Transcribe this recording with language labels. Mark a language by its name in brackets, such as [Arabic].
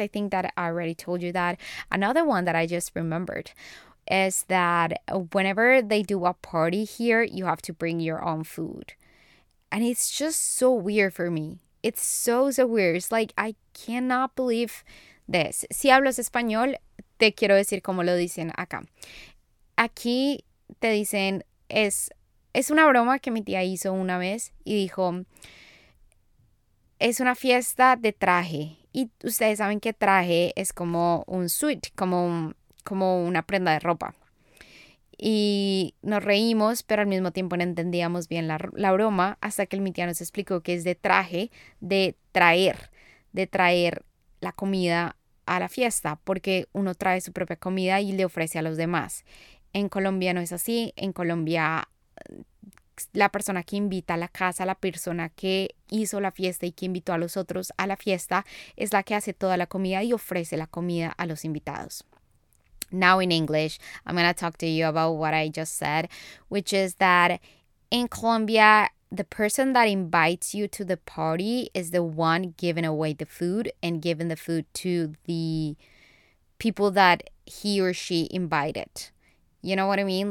[English] I think that I already told you that. Another one that I just remembered is that whenever they do a party here, you have to bring your own food. And it's just so weird for me. It's so weird. It's like, I cannot believe this. [Spanish] Si hablas español, te quiero decir como lo dicen acá. Aquí te dicen, es una broma que mi tía hizo una vez y dijo, es una fiesta de traje. Y ustedes saben que traje es como un suit, como una prenda de ropa. Y nos reímos, pero al mismo tiempo no entendíamos bien la broma, hasta que mi tía nos explicó que es de traje, de traer la comida a la fiesta, porque uno trae su propia comida y le ofrece a los demás. En Colombia no es así. En Colombia, la persona que invita a la casa, la persona que hizo la fiesta y que invitó a los otros a la fiesta, es la que hace toda la comida y ofrece la comida a los invitados. [English] Now in English, I'm going to talk to you about what I just said, which is that in Colombia, the person that invites you to the party is the one giving away the food and giving the food to the people that he or she invited. You know what I mean?